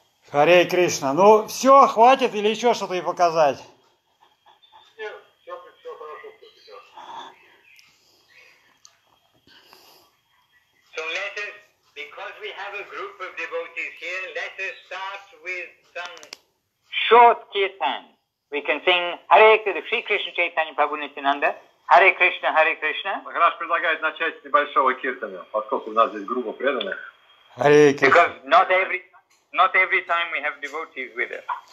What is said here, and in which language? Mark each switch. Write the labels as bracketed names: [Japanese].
[Russian] Харе Кришна. Ну, все, хватит или еще что-то ей показать? Нет, все хорошо, все сейчас. [English] So let us, because we have a group of devotees here, let us start with some short kirtan. We can sing Hare Krishna, Chaitanya Prabhu Nityananda. Hare Krishna, Hare Krishna. [Russian] Махарадж предлагает начать с небольшого киртана, поскольку у нас здесь группа преданных. [English] Hare Krishna. Because not every time we have devotees with us.